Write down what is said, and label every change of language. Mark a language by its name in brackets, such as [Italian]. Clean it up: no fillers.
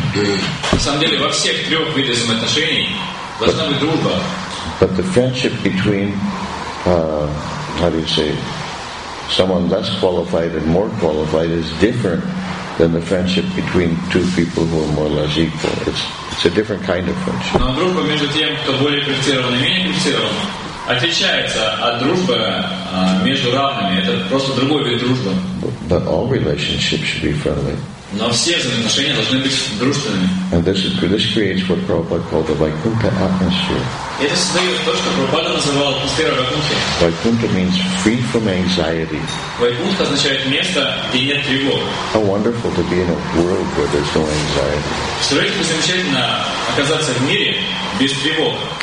[English] But the friendship between, how do you say, someone less qualified and more qualified is different than the friendship between two people who are more or less equal. It's a different kind of friendship. [Russian] Но дружба между тем, кто более квалифицирован и менее квалифицирован, отличается от дружбы между равными. Это просто другой вид дружбы. [English] But all relationships should be friendly. [Russian] Но все взаимоотношения должны быть дружественными. [English] And this creates what Prabhupada called the Vaikuntha atmosphere. [Russian] Это создает то, что Прабхупада называл атмосферой Вайкунты. [English] Vaikuntha means free from anxiety. [Russian] Вайкунта означает место, где нет тревог. [English] How wonderful to be in a world where there's no anxiety. [Russian] Совершенно замечательно оказаться в мире без тревог.